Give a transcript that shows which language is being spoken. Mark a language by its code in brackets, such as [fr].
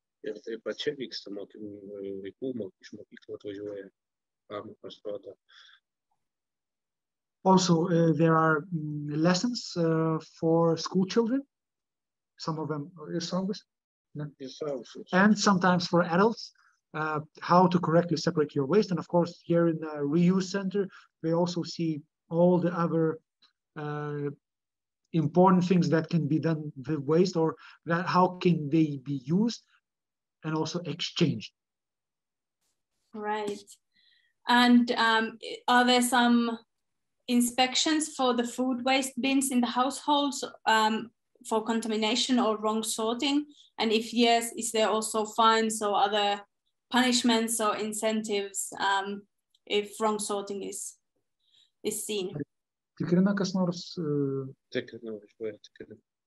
[lt] Ir taip pat čia vyksta vaikų iš mokyklų atvažiuoja pamokas rodo. [en] Also, there are lessons for school children, some of them is always, and sometimes for adults, how to correctly separate your waste. And of course, here in the reuse center, we also see all the other important things that can be done with waste, or that how can they be used and also exchanged. Right. And are there some inspections for the food waste bins in the households for contamination or wrong sorting? And if yes, is there also fines or other punishments or incentives if wrong sorting is seen? [lt] Tikrina kas nors? Tikrina, važiuoja, tikrina.